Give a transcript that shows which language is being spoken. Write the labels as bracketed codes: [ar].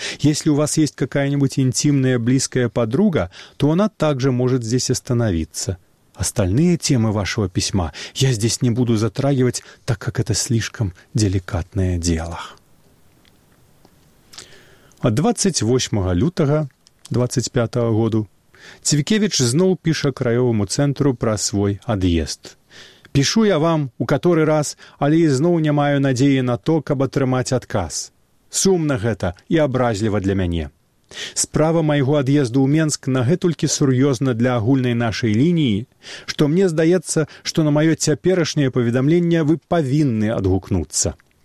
[ru] Если у вас есть какая-нибудь интимная близкая подруга, то она также может здесь остановиться. Остальные темы вашего письма я здесь не буду затрагивать, так как это слишком деликатное дело». А 28 лютого 25 году Цвікевіч знов пишет краевому центру про свой отъезд. «Пишу я вам у который раз, [be] але ізноў не маю надзеі на то, каб атрымаць адказ. Сумна гэта і абразліва для мяне. Справа майго ад'езду ў Менск нагэтулькі сур'ёзна для агульнай нашай лініі, што мне здаецца, што на маё цяперашняе паведамленне вы павінны адгукнуцца».